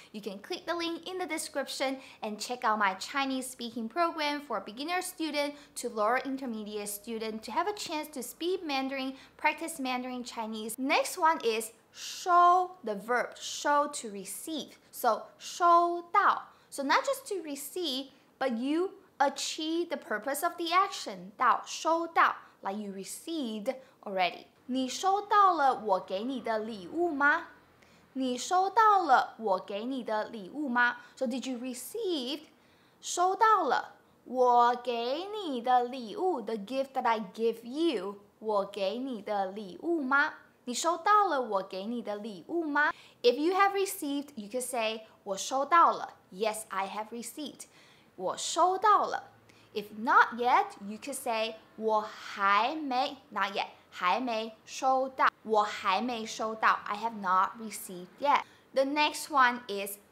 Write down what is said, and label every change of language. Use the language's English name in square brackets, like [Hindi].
[English] You can click the link in the description and check out my Chinese speaking program for beginner student to lower intermediate student to have a chance to speak Mandarin, practice Mandarin Chinese. Next one is show, the verb show, to receive. So 收到.So not just to receive, but you achieve the purpose of the action. 到,收到, like you received already. [Chinese] 你收到了我给你的礼物吗?你收到了我给你的礼物吗? [English] So did you receive? 收到了我给你的礼物, the gift that I give you. [Chinese] 我给你的礼物吗? 你收到了我给你的礼物吗? [English] If you have received, you can say 我收到了. Yes, I have received. 我收到了. If not yet, you can say 我还没, not yet, 还没收到. 我还没收到. I have not received yet. The next one is